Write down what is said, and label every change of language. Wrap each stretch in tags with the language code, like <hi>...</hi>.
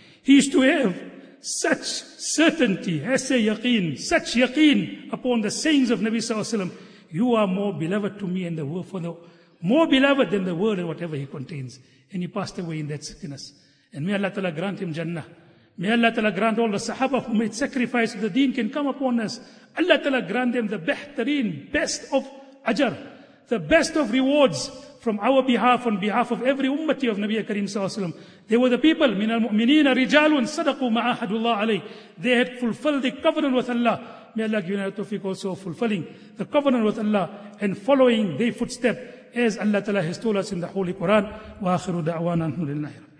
<en>He used to have such certainty, such yaqeen upon the sayings of Nabi Sallallahu Alaihi Wasallam, you are more beloved to me and the world, more beloved than the world and whatever he contains. And he passed away in that sickness. And may Allah Ta'ala grant him Jannah. May Allah Ta'ala grant all the Sahaba who made sacrifice of the deen can come upon us. Allah Ta'ala grant them the behtareen, best of ajar, the best of rewards from our behalf, on behalf of every ummati of Nabi Kareem sallallahu alayhi wa sallam. They were the people,</en> <ar>مِنَ الْمُؤْمِنِينَ رِجَالٌ صَدَقُوا مَا أَحَدُ اللَّهُ عَلَيْهِ.</ar> <en>They had fulfilled the covenant with Allah. May Allah give you the tawfiq also of fulfilling the covenant with Allah and following their footstep as Allah Ta'ala has told us in the Holy Quran.</en> <ar>وَآخِرُ دَعْوَانَا الْحَمْدُ لِلَّهِ.</ar>